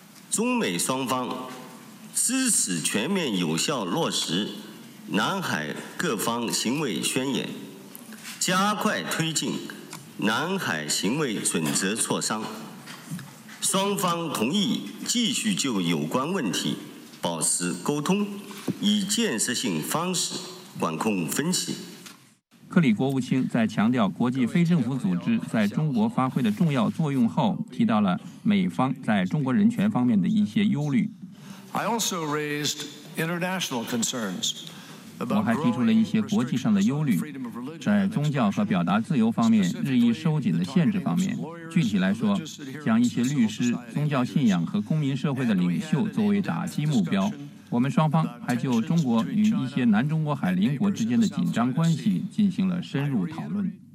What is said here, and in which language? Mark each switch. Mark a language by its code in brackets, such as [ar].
[zh] 中美双方支持全面有效落实南海各方行为宣言，加快推进南海行为准则磋商，双方同意继续就有关问题保持沟通，以建设性方式管控分歧。克里国务卿在强调国际非政府组织在中国发挥的重要作用后，提到了美方在中国人权方面的一些忧虑。 [en] I also raised international concerns. [zh] 我还提出了一些国际上的忧虑，在宗教和表达自由方面日益收紧的限制方面，具体来说，将一些律师、宗教信仰和公民社会的领袖作为打击目标。我们双方还就中国与一些南中国海邻国之间的紧张关系进行了深入讨论。